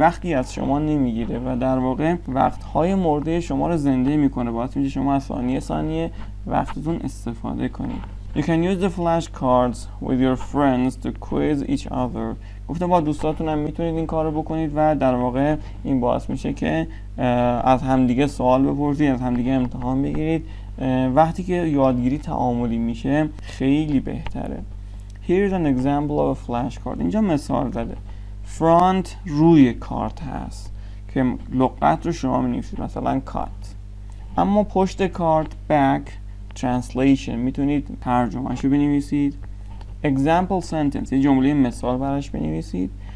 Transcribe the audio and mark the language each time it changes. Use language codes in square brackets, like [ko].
[fa] وقتی از شما نمیگیره و در واقع وقت‌های مرده شما رو زنده میکنه، باعث میشه شما از ثانیه ثانیه وقتتون استفاده کنید. [en] You can use the flashcards with your friends to quiz each other. [fa] گفتم با دوستاتون هم میتونید این کارو بکنید و در واقع این باعث میشه که از همدیگه سوال بپرسید، از همدیگه امتحان بگیرید. وقتی که یادگیری تعاملی میشه خیلی بهتره. Here's an example of a flashcard. اینجا مثال زده. Front روی کارت هست که لغت رو شما می‌نویسید، مثلا cut. اما پشت کارت back translation میتونید ترجمه‌اشو بنویسید. Example sentence یه جمله مثال براش بنویسید.